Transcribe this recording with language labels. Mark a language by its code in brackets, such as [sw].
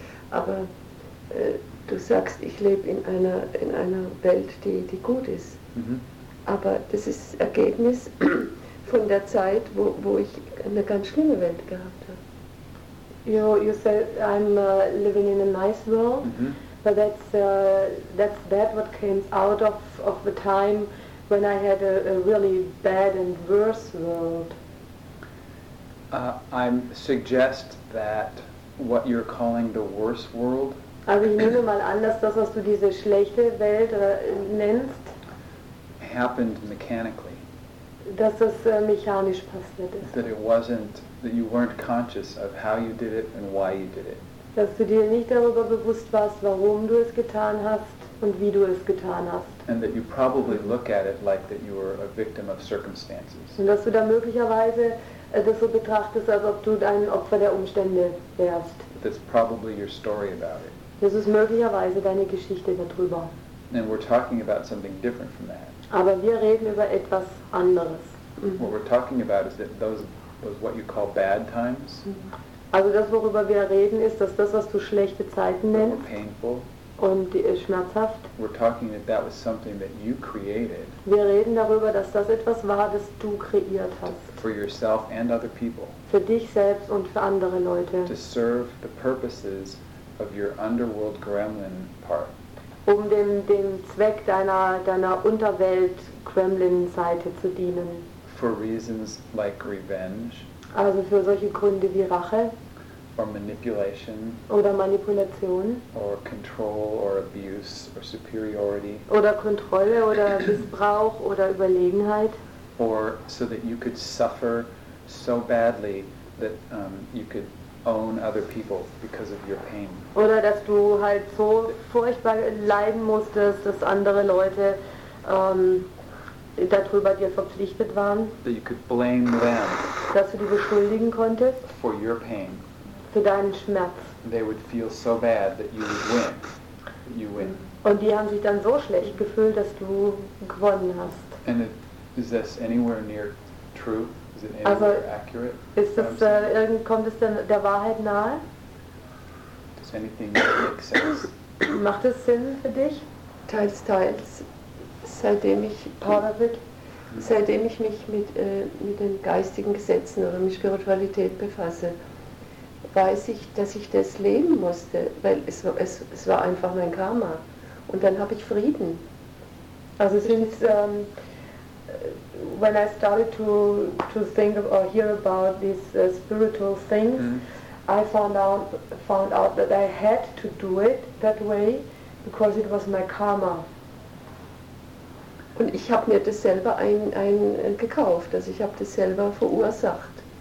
[de] Aber du sagst, ich lebe in einer Welt, die gut ist. Mm-hmm. Aber das ist Ergebnis von der Zeit, wo ich eine ganz schlimme Welt gehabt habe. [en] You said I'm living in a nice world, mm-hmm. but that's what came out of the time when I had a really bad and worse world. I suggest that what you're calling the worse world. [de] Also ich nehme mal an, dass das, was du diese schlechte Welt nennst, [en] happened mechanically. [de] Dass das mechanisch passiert ist. [en] That it wasn't. That you weren't conscious of how you did it and why you did it. [de] Dass du dir nicht darüber bewusst warst, warum du es getan hast und wie du es getan hast. [en] And that you probably look at it like that you were a victim of circumstances. [de] Und dass du da möglicherweise das so betrachtest, als ob du ein Opfer der Umstände wärst. [en] That's probably your story about it. [de] Das ist möglicherweise deine Geschichte darüber. [en] And we're talking about something different from that. [de] Aber wir reden über etwas anderes. [en] What we're talking about is that those what you call bad times. [de] Also das, worüber wir reden, ist, dass das, was du schlechte Zeiten nennst, [en] painful, [de] und die ist schmerzhaft. [en] We're talking that was something that you created. [de] Wir reden darüber, dass das etwas war, das du kreiert hast. [en] For yourself and other people. [de] Für dich selbst und für andere Leute. [en] To serve the purposes of your underworld gremlin part. [de] Um dem Zweck deiner Unterwelt Gremlin Seite zu dienen. [en] For reasons like revenge. [de] Also für solche Gründe wie Rache. [en] Or manipulation. [de] Oder Manipulation. [en] Or control or abuse or superiority. [de] Oder Kontrolle oder Missbrauch oder Überlegenheit. [en] Or so that you could suffer so badly that you could own other people because of your pain. [de] Oder dass du halt so furchtbar leiden musstest, dass andere Leute darüber dir verpflichtet waren. [en] That you could blame them. [de] Dass du die beschuldigen konntest. [en] For your pain. [de] Für deinen Schmerz. [en] They would feel so bad that you would win. That you win. [de] Und die haben sich dann so schlecht gefühlt, dass du gewonnen hast. [en] And is this anywhere near true? Is it anywhere [de] also, [en] accurate? [de] Ist das irgend kommt es denn der Wahrheit nahe? [en] Does anything make sense? [de] Macht es Sinn für dich? Teils, teils. Seitdem ich [en] part of it, [de] seitdem ich mich mit den geistigen Gesetzen oder mit Spiritualität befasse, weiß ich, dass ich das leben musste, weil es war einfach mein Karma. Und dann habe ich Frieden. Also sind [en] when I started to think of or hear about these spiritual things, mm-hmm. I found out that I had to do it that way because it was my karma. [de] Und ich habe mir das selber ein gekauft, also ich habe das selber verursacht.